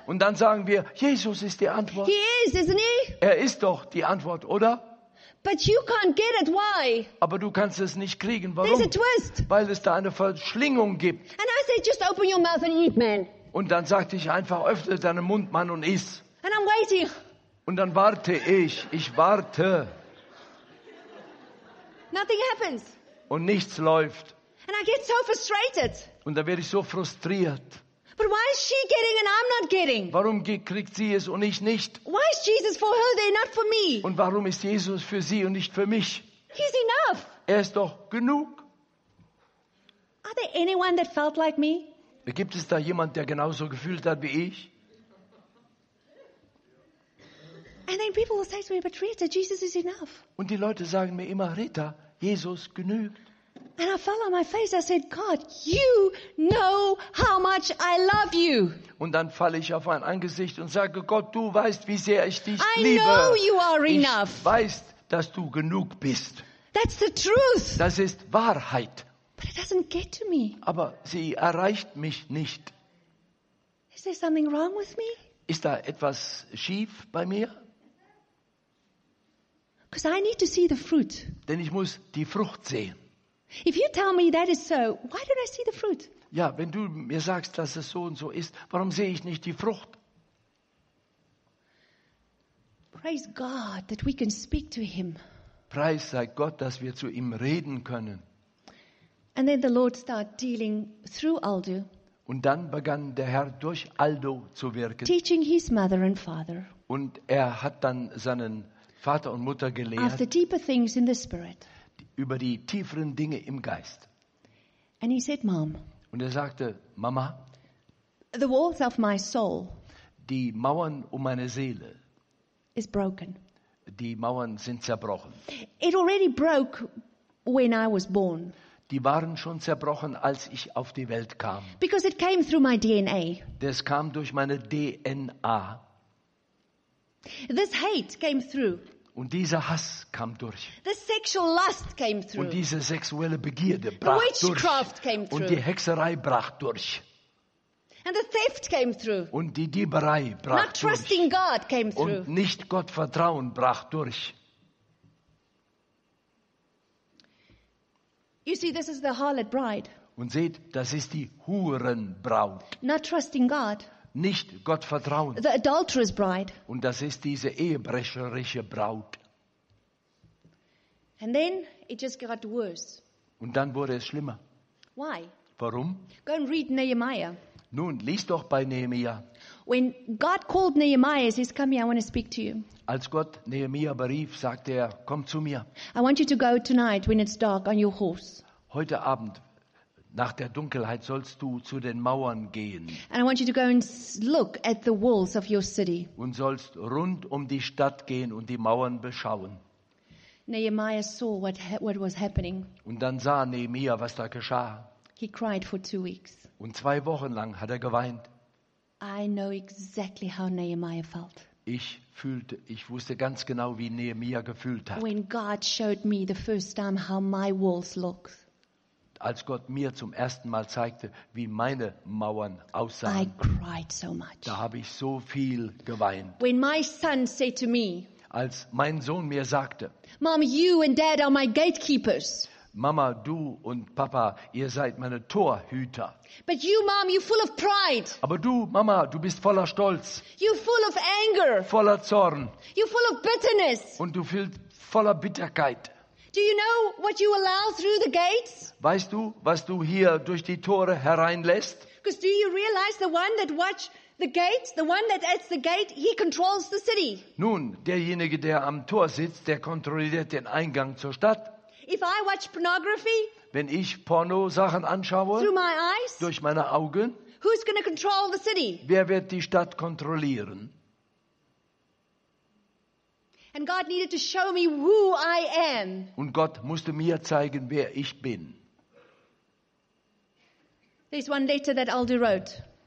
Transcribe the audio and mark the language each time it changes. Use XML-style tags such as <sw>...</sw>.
<de>Und dann sagen wir, Jesus ist die Antwort.</de> <en>He is, isn't he?</en> <de>Er ist doch die Antwort, oder?</de> <en>But you can't get it. Why?</en> <de>Aber du kannst es nicht kriegen. Warum?</de> <en>There's a twist.</en> <de>Weil es da eine Verschlingung gibt.</de> <en>And I say, just open your mouth and eat, man.</en> <de>Und dann sagte ich einfach, öffne deinen Mund, Mann, und iss.</de> <en>And I'm waiting.</en> <de>Und dann warte ich. Ich warte.</de> <en>Nothing happens.</en> <de>Und nichts läuft.</de> <en>And I get so frustrated.</en> <de>Und dann werde ich so frustriert.</de> <en>But why is she getting and I'm not getting?</en> <de>Warum kriegt sie es und ich nicht?</de> <en>Why is Jesus for her there, not for me?</en> <de>Und warum ist Jesus für sie und nicht für mich?</de> <en>He's enough.</en> <de>Er ist doch genug.</de> <en>Are there anyone that felt like me?</en> <de>Gibt es da jemand, der genauso gefühlt hat wie ich?</de> <en>And then people will say to me, but Rita, Jesus is enough.</en> <de>Und die Leute sagen mir immer, Rita, Jesus genügt.</de> <en>And I fell on my face. I said, God, you know how much I love you.</en> <de>Und dann falle ich auf mein Angesicht und sage, Gott, du weißt, wie sehr ich dich liebe.</de> <en>I know you are enough.</en> <de>Ich weiß, dass du genug bist.</de> <en>That's the truth.</en> <de>Das ist Wahrheit.</de> <en>But it doesn't get to me.</en> <de>Aber sie erreicht mich nicht.</de> <en>Is there something wrong with me?</en> <de>Ist da etwas schief bei mir?</de> <en>Because I need to see the fruit.</en> <de>Denn ich muss die Frucht sehen.</de> <en>If you tell me that is so, why don't I see the fruit?</en> <de>Ja, wenn du mir sagst, dass es so und so ist, warum sehe ich nicht die Frucht?</de> <en>Praise God that we can speak to him.</en> <de>Preis sei Gott, dass wir zu ihm reden können.</de> <en>And then the Lord started dealing through Aldo.</en> <de>Und dann begann der Herr durch Aldo zu wirken.</de> <en>Teaching his mother and father.</en> <de>Und er hat dann seinen Vater und Mutter gelehrt.</de> <en>After deeper things in the spirit.</en> <de>Über die tieferen Dinge im Geist.</de> <en>And he said, Mom,</en> <de>und er sagte, Mama,</de> <en>the walls of my soul,</en> <de>die Mauern um meine Seele,</de> <en>is broken.</en> <de>Die Mauern sind zerbrochen.</de> <en>It already broke when I was born.</en> <de>Die waren schon zerbrochen, als ich auf die Welt kam.</de> <en>Because it came through my DNA.</en> <de>Das kam durch meine DNA.</de> <en>This hate came through.</en> <de>Und dieser Hass kam durch.</de> <en>The sexual lust came through.</en> <de>Und diese sexuelle Begierde brach durch.</de> <en>The witchcraft came through.</en> <de>Und die Hexerei brach durch.</de> <en>And the theft came through.</en> <de>Und die Dieberei brach durch.</de> <en>Not trusting God came through.</en> <de>Und nicht Gott vertrauen brach durch.</de> <en>You see, this is the harlot bride.</en> <de>Und seht, das ist die Hurenbraut.</de> <en>Not trusting God.</en> <de>Nicht Gott vertrauen.</de> <en>The adulterous bride.</en> <de>Und das ist diese ehebrecherische Braut.</de> <en>And then it just got worse.</en> <de>Und dann wurde es schlimmer.</de> <en>Why?</en> <de>Warum?</de> <en>Go and read Nehemiah.</en> <de>Nun, lies doch bei Nehemiah.</de> <en>When God called Nehemiah, he says, "Come here, I want to speak to you."</en> <de>Als Gott Nehemiah berief, sagte er, komm zu mir.</de> <en>I want you to go tonight when it's dark on your horse.</en> <de>Heute Abend. Nach der Dunkelheit sollst du zu den Mauern gehen.</de> <en>And I want you to go and look at the walls of your city.</en> <de>Und sollst rund um die Stadt gehen und die Mauern beschauen.</de> <en>Nehemiah saw what was happening.</en> <de>Und dann sah Nehemiah, was da geschah.</de> <en>He cried for 2 weeks.</en> <de>Und 2 Wochen lang hat er geweint.</de> <en>I know exactly how Nehemiah felt.</en> <de>Ich wusste ganz genau, wie Nehemiah gefühlt hat.</de> <en>When God showed me the first time how my walls look.</en> <de>Als Gott mir zum ersten Mal zeigte, wie meine Mauern aussahen,</de> <en>I cried so much.</en> <de>Da habe ich so viel geweint.</de> <en>When my son said to me,</en> <de>als mein Sohn mir sagte,</de> <en>Mom, you and Dad are my gatekeepers.</en> <de>Mama, du und Papa, ihr seid meine Torhüter.</de> <en>But you, Mom, you're full of pride.</en> <de>Aber du, Mama, du bist voller Stolz.</de> <en>You're full of anger.</en> <de>Voller Zorn.</de> <en>You're full of bitterness.</en> <de>Und du fühlst voller Bitterkeit.</de> <en>Do you know what you allow through the gates?</en> <de>Weißt du, was du hier durch die Tore hereinlässt?</de> <en>Because do you realize the one that watch the gate, the one that at the gate, he controls the city?</en> <de>Nun, derjenige, der am Tor sitzt, der kontrolliert den Eingang zur Stadt.</de> <en>If I watch pornography,</en> <de>wenn ich Pornosachen anschaue,</de> <en>through my eyes,</en> <de>durch meine Augen,</de> <en>who's going to control the city?</en> <de>Wer wird die Stadt kontrollieren?</de> <en>And God needed to show me who I am.</en> <de>Und Gott musste mir zeigen, wer ich bin.</de> <en>There's one letter that Aldo wrote.</en>